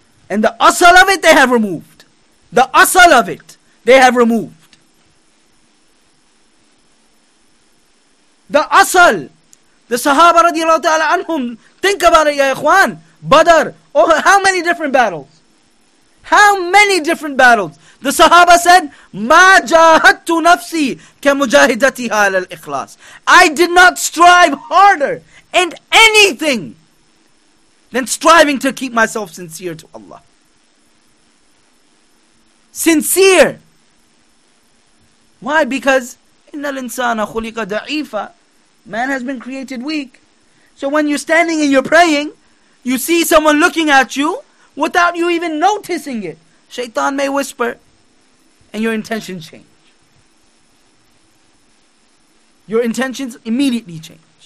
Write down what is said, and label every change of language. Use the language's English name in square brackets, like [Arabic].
[English] And the asal of it they have removed. The asal of it they have removed. The asal, the Sahaba radiallahu ta'ala anhum, think about it, ya ikhwan, Badr, oh, how many different battles? How many different battles? The Sahaba said, [Arabic] مَا جَاهَدْتُ نَفْسِي كَمُجَاهِدَتِهَا عَلَى الْإِخْلَاصِ. [English] I did not strive harder in anything than striving to keep myself sincere to Allah. Sincere. Why? [Arabic] Because إِنَّ الْإِنسَانَ خُلِقَ دَعِيفًا. [English] Man has been created weak. So when you're standing and you're praying, you see someone looking at you without you even noticing it. Shaitan may whisper and your intentions change. Your intentions immediately change.